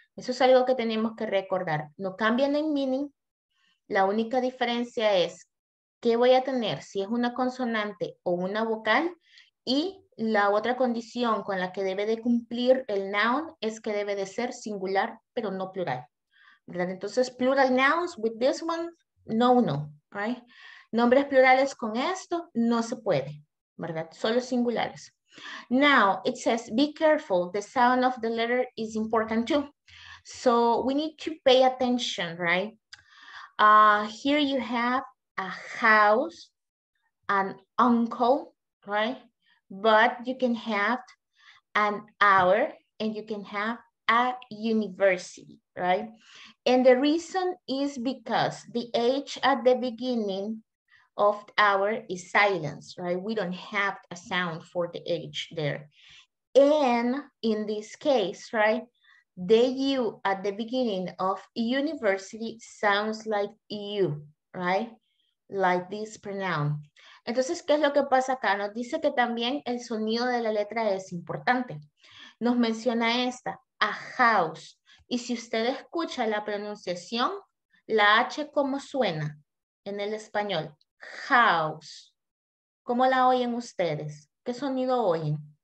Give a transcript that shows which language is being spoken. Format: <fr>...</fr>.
<es>Eso es algo que tenemos que recordar. No cambian en meaning. La única diferencia es ¿qué voy a tener? Si es una consonante o una vocal. Y la otra condición con la que debe de cumplir el noun es que debe de ser singular, pero no plural. ¿Verdad? Entonces,</es> <en>plural nouns with this one, no, no.</en> <es>Right? Nombres plurales con esto, no se puede. ¿Verdad? Solo singulares.</es> <en>Now, it says, be careful. The sound of the letter is important too. So, we need to pay attention, right? Here you have a house, an uncle, right? But you can have an hour and you can have a university, right? And the reason is because the H at the beginning of hour is silence, right? We don't have a sound for the H there. And in this case, right, The U at the beginning of university sounds like U, right? Like this pronoun.</en> <es>Entonces, ¿qué es lo que pasa acá? Nos dice que también el sonido de la letra es importante. Nos menciona esta, a house. Y si usted escucha la pronunciación, la H, ¿cómo suena en el español? House. ¿Cómo la oyen ustedes? ¿Qué sonido oyen?</es>